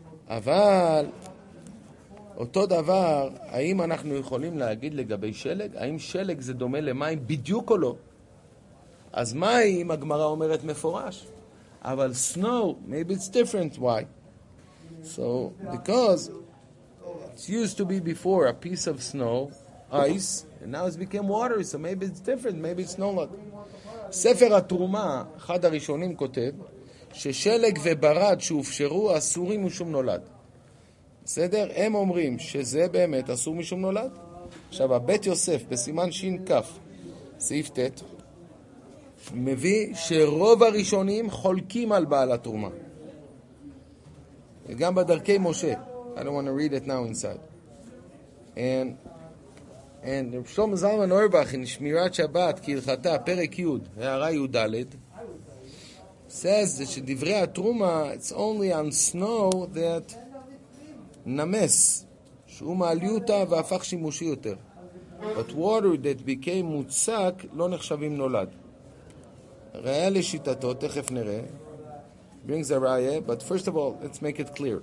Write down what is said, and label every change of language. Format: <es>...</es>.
<he>אבל אותו דבר, האם אנחנו יכולים להגיד לגבי שלג? האם שלג זה דומה למים בדיוק או לא? אז מה אם הגמרא אומרת מפורש?</he> <en>אבל snow, maybe it's different, why? So, because it used to be before a piece of snow, ice, and now it's become water, so maybe it's different, maybe it's not.</en> <he>ספר התרומה, אחד הראשונים כותב, ששלג וברד שהופשרו אסורים משום נולד. בסדר? הם אומרים שזה באמת אסור משום נולד. עכשיו, הבית יוסף, בסימן שין כף, סעיף ת', מביא שרוב הראשונים חולקים על בעל התרומה. וגם בדרכי משה.</he> <en>I don't want to read it now inside.</en> <he>And שום זלמן אורבך, in שמירת שבת, כהלכתה, פרק י', הערה י' ד',</he> <en>says that</en> <he>שדברי התרומה,</he> <en>it's only on snow that</en> <he>נמס, שהוא מעלי אותה והפך שימושי יותר.</he> <en>But water that became</en> <he>מוצק לא נחשבים נולד. ראה לשיטתו, תכף נראה.</he> <en>Brings a</en> <he>ראה,</he> <en>but first of all, let's make it clear.</en>